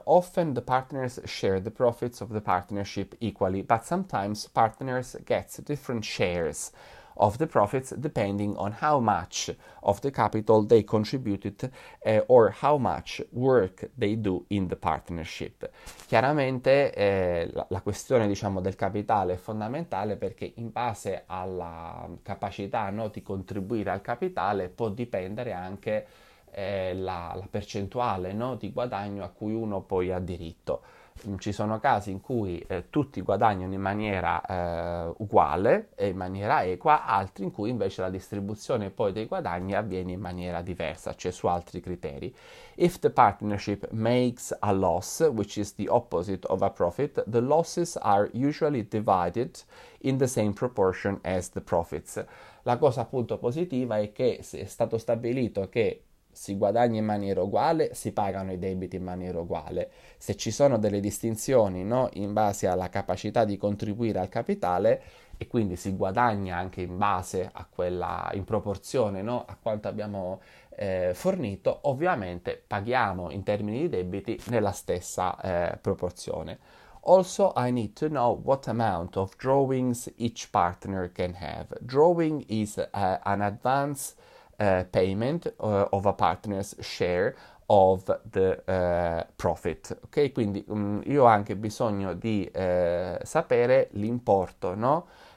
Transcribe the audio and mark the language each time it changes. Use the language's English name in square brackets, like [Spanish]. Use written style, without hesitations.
[English] Often the partners share the profits of the partnership equally, but sometimes partners get different shares of the profits depending on how much of the capital they contributed, or how much work they do in the partnership. [Italian] Chiaramente, la questione, diciamo, del capitale è fondamentale perché in base alla capacità, no, di contribuire al capitale può dipendere anche la percentuale, no, di guadagno a cui uno poi ha diritto. Ci sono casi in cui tutti guadagnano in maniera uguale e in maniera equa, altri in cui invece la distribuzione poi dei guadagni avviene in maniera diversa, cioè su altri criteri. [English] If the partnership makes a loss, which is the opposite of a profit, the losses are usually divided in the same proportion as the profits. [Italian] La cosa appunto positiva è che se è stato stabilito che si guadagna in maniera uguale, si pagano i debiti in maniera uguale. Se ci sono delle distinzioni, no, in base alla capacità di contribuire al capitale, e quindi si guadagna anche in base a quella in proporzione, no, a quanto abbiamo fornito, ovviamente paghiamo in termini di debiti nella stessa proporzione. [English] Also, I need to know what amount of drawings each partner can have. Drawing is an advance payment of a partner's share of the profit. [Italian] Ok, quindi io ho anche bisogno di sapere l'importo, no?